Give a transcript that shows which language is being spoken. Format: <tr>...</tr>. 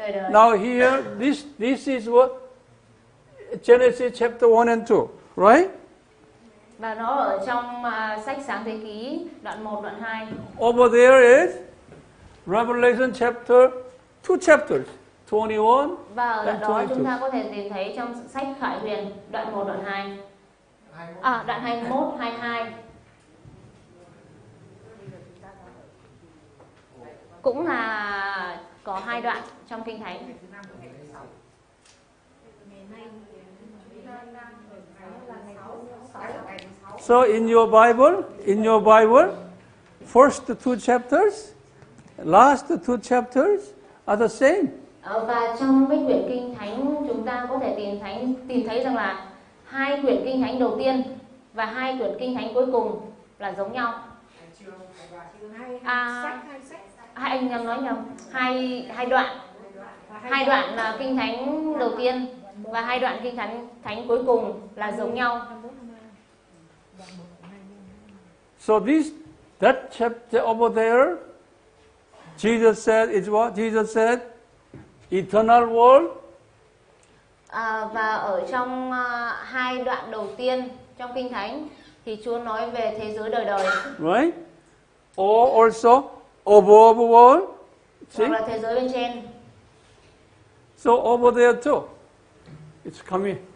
<en>Now here this is what Genesis chapter 1 and 2, right?</en> <vi>Và nó ở trong sách Sáng Thế Ký đoạn 1 đoạn 2.</vi> <en>Over there is Revelation chapter 2 chapters 21.</en> <vi>Và ở đó 22. Chúng ta có thể tìm thấy trong sách Khải Huyền đoạn 1 đoạn 2. À đoạn 21 22. Cũng là có hai đoạn trong Kinh Thánh.</vi> <en>So in your Bible, first two chapters, last two chapters are the same.</en> <vi>Và trong mấy quyển Kinh Thánh chúng ta có thể tìm thấy rằng là hai quyển Kinh Thánh đầu tiên và hai quyển Kinh Thánh cuối cùng là giống nhau. Hai đoạn là Kinh Thánh đầu tiên và hai đoạn Kinh Thánh cuối cùng là giống nhau.</vi> <en>So that chapter over there, Jesus said is what? Jesus said eternal world.</en> <vi>Và ở trong hai đoạn đầu tiên trong Kinh Thánh thì Chúa nói về thế giới đời đời.</vi> <en>Right? Or also above world.</en> <vi>Hoặc là thế giới bên trên.</vi> <en>So over there too. It's coming.</en>